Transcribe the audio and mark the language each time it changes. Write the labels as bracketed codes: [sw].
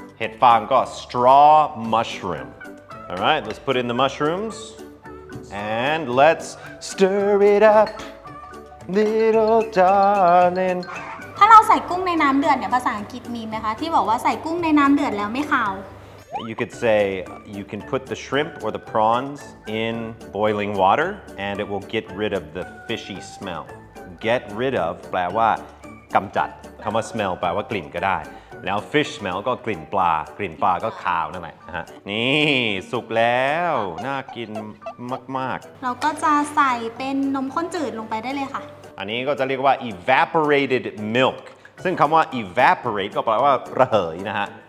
[th] เห็ดฟางก็ [en] straw mushroom all right let's put in the mushroomsAnd let's stir it up, little darling. [th] ถ้าเราใส่กุ้งในน้ำเดือดเนี่ยภาษาอังกฤษมีไหมคะที่บอกว่าใส่กุ้งในน้ำเดือดแล้วไม่คาว [en] You could say you can put the shrimp or the prawns in boiling water, and it will get rid of the fishy smell. [th] Get rid of แปลว่ากำจัดคำว่า smell แปลว่ากลิ่นก็ได้แล้ว fish smell ก็กลิ่นปลากลิ่นปลาก็คาวนั่นแหละฮะนี่สุกแล้วน่ากินมากมาก เราก็จะใส่เป็นนมข้นจืดลงไปได้เลยค่ะ อันนี้ก็จะเรียกว่า evaporated milk ซึ่งคำว่า evaporate ก็แปลว่าระเหยนะฮะ